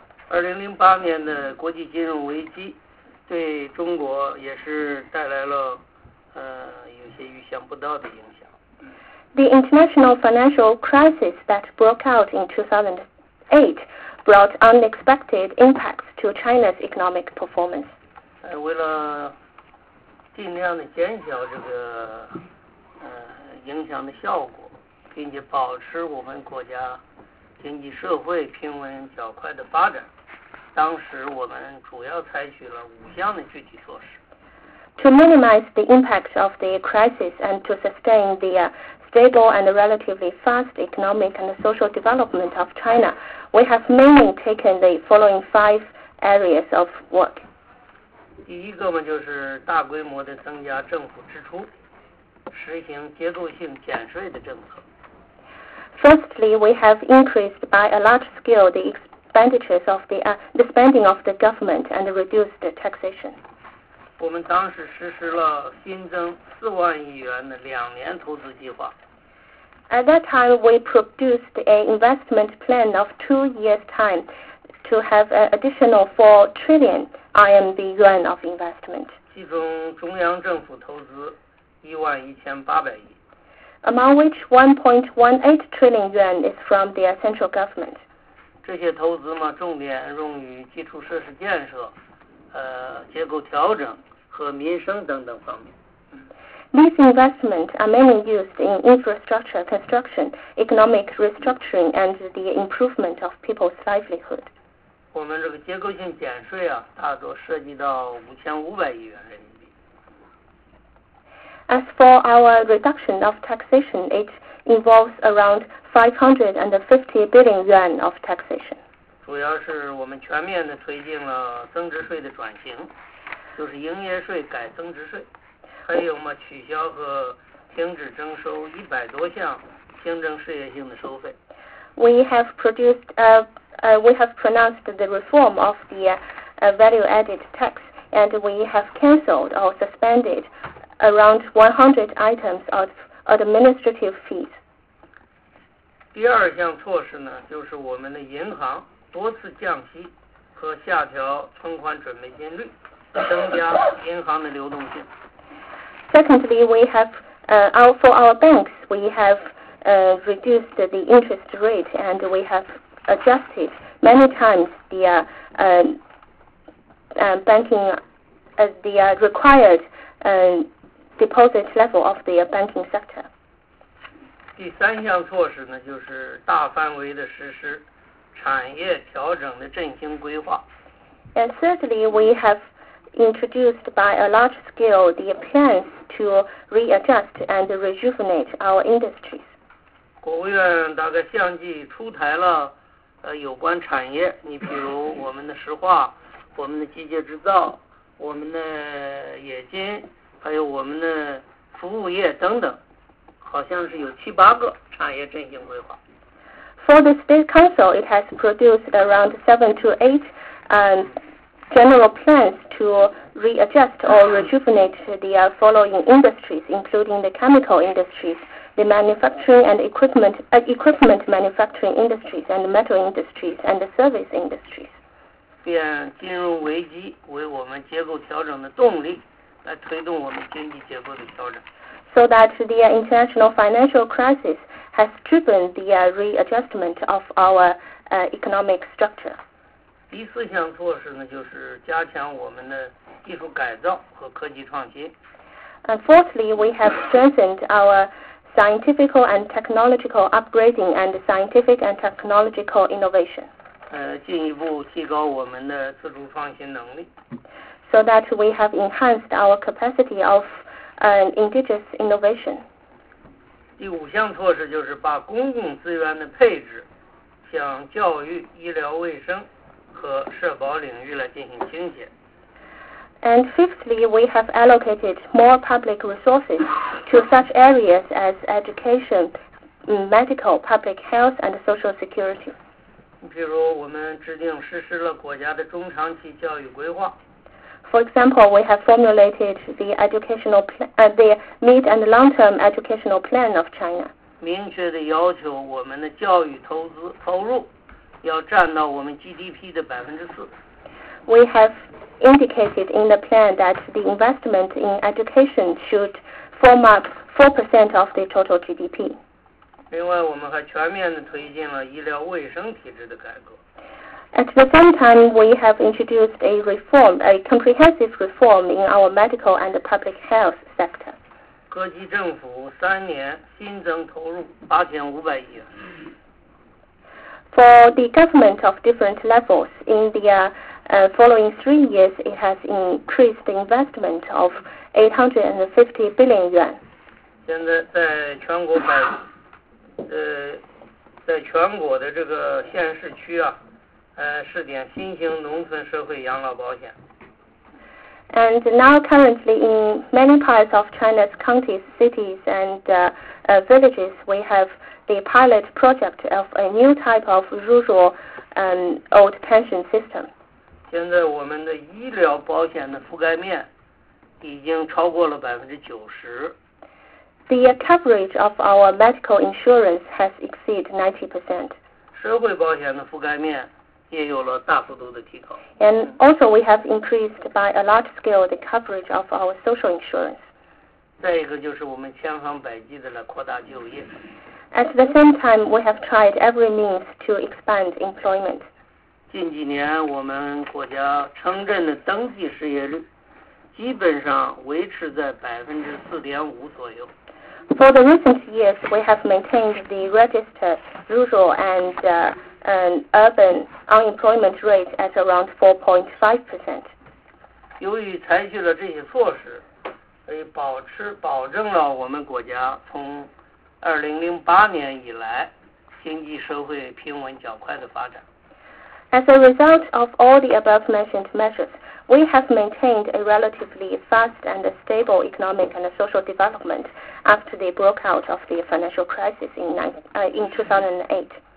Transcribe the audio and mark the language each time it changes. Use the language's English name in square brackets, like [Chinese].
[Chinese] 2008年的国际金融危机对中国也是带来了有些预想不到的影响。 [English] The international financial crisis that broke out in 2008 brought unexpected impacts to China's economic performance. [Chinese] 为了尽量的减小这个影响的效果，并且保持我们国家经济社会平稳较快的发展，当时我们主要采取了五项的具体措施。 [English] To minimize the impact of the crisis and to sustain the stable and relatively fast economic and social development of China, we have mainly taken the following five areas of work. [Chinese] 第一个嘛，就是大规模的增加政府支出，实行结构性减税的政策。 [English] Firstly, we have increased by a large scale the expenditures of the spending of the government and reduced the taxation. [Chinese] 我们当时实施了新增40,000,000,000的两年投资计划。 [English] At that time, we produced an investment plan of 2 years' time to have an additional 4 trillion RMB yuan of investment. [Chinese] 其中中央政府投资11,800亿。 [English] Among which 1.18 trillion yuan is from the central government. [Chinese] 这些投资嘛，重点用于基础设施建设、结构调整和民生等等方面。 [English] These investments are mainly used in infrastructure construction, economic restructuring, and the improvement of people's livelihood. [Chinese] 我们这个结构性减税啊，大多涉及到5,500亿元人民币。 [English] As for our reduction of taxation, it involves around 550 billion yuan of taxation. [Chinese] 主要是我们全面地推进了增值税的转型，就是营业税改增值税。还有嘛，取消和停止征收100多项行政事业性的收费。 [English] We have produced, we have pronounced the reform of the value-added tax, and we have cancelled or suspended around 100 items of administrative fees. [Chinese] 第二项措施呢，就是我们的银行多次降息和下调存款准备金率，增加银行的流动性。 [English] Secondly, we have, for our banks, we have reduced the interest rate and we have adjusted many times the banking, the required deposit level of the banking sector. [Chinese] 第三项措施呢，就是大范围的实施产业调整的振兴规划。 [English] And thirdly, we have introduced by a large scale the plans to readjust and rejuvenate our industries. [Chinese] 国务院大概相继出台了有关产业，你比如我们的石化、我们的机械制造、我们的冶金，还有我们的服务业等等，好像是有7-8个产业振兴规划。 [English] For the State Council, it has produced around 7 to 8 general plans to readjust or rejuvenate the following industries, including the chemical industries, the manufacturing and equipment, equipment manufacturing industries, and metal industries, and the service industries. [Chinese] 变金融危机为我们结构调整的动力，来推动我们经济结构的调整。 [English] So that the international financial crisis has driven the readjustment of our economic structure. [Chinese] 第四项措施呢，就是加强我们的技术改造和科技创新。 [English] And fourthly, we have strengthened our scientific and technological upgrading and scientific and technological innovation. [Chinese] 进一步提高我们的自主创新能力。 [English] So that we have enhanced our capacity of indigenous innovation. [Chinese] 第五项措施就是把公共资源的配置向教育、医疗卫生和社保领域来进行倾斜。 [English] And fifthly, we have allocated more public resources to such areas as education, medical, public health, and social security. [Chinese] 比如我们制定实施了国家的中长期教育规划。 [English] For example, we have formulated the educational plan, the mid and long-term educational plan of China. [Chinese] 明确地要求我们的教育投资投入要占到我们 GDP 的4%。 [English] We have indicated in the plan that the investment in education should form up 4% of the total GDP. [Chinese] 另外，我们还全面地推进了医疗卫生体制的改革。 [English] At the same time, we have introduced a reform, a comprehensive reform in our medical and public health sector. [Chinese] 各级政府三年新增投入8500亿。 [English] For the government of different levels, in the following 3 years, it has increased the investment of 850 billion yuan. [Chinese] 现在在全国的这个县市区啊，试点新型农村社会养老保险。 [English] And now currently in many parts of China's counties, cities, and villages, we have the pilot project of a new type of rural old pension system. [Chinese] 现在我们的医疗保险的覆盖面已经超过了90%。 [English] The coverage of our medical insurance has exceeded 90%. [Chinese] 社会保险的覆盖面也有了大幅度的提高。 [English] And also we have increased by a large scale the coverage of our social insurance. [Chinese] 再一个就是我们千方百计的来扩大就业。 [English] At the same time, we have tried every means to expand employment. [Chinese] 近几年我们国家城镇的登记失业率基本上维持在4.5%左右。 [English] For the recent years, we have maintained the registered rural and urban unemployment rate at around 4.5%. [Chinese] 由于采取了这些措施，所以保证了我们国家从2008年以来经济社会平稳较快的发展。 [English] As a result of all the above mentioned measures, we have maintained a relatively fast and stable economic and social development after the breakout of the financial crisis in 2008.